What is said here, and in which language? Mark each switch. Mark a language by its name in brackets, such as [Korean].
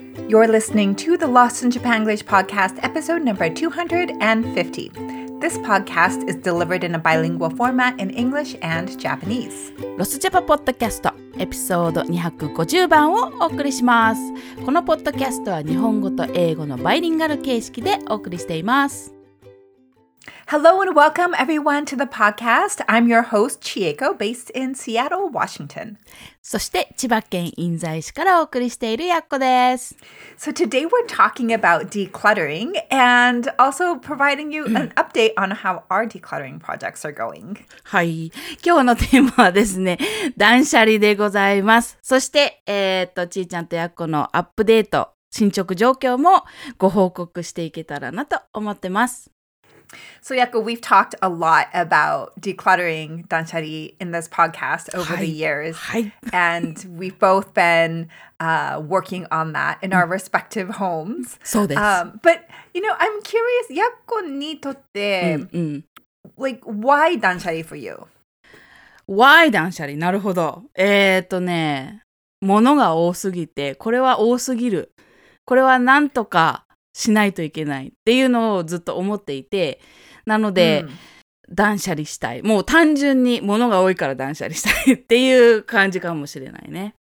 [English] You're listening to the Lost in Japanglish podcast, episode number 250. This podcast is delivered in a bilingual format in English and Japanese. Lost Japan podcast, episode 250 [Japanese] 番をお送りします。このポッドキャストは日本語と英語のバイリンガル形式でお送りしています。 [English] Hello and welcome everyone to the podcast. I'm your host, Chieko, based in Seattle, Washington. [Japanese] そして千葉県印西市からお送りしているやっこです。 [English] So today we're talking about decluttering and also providing you an update on how our decluttering projects are going. [Japanese] はい。今日のテーマはですね、断捨離でございます。そして、ちーちゃんとやっこのアップデート、進捗状況もご報告していけたらなと思ってます。 [English] So Yako, we've talked a lot about decluttering Danchari in this podcast over the years. And we've both been working on that in our respective homes. So this. But you know, I'm curious, [Japanese] Yako ni totte, [English] like why Danchari for you? Why Danchari? [Japanese] なるほど。ね、物が多すぎて、これは多すぎる。これはなんとかしないといけないっていうのをずっと思っていて、なので、断捨離したい。もう単純に物が多いから断捨離したいっていう感じかもしれないね。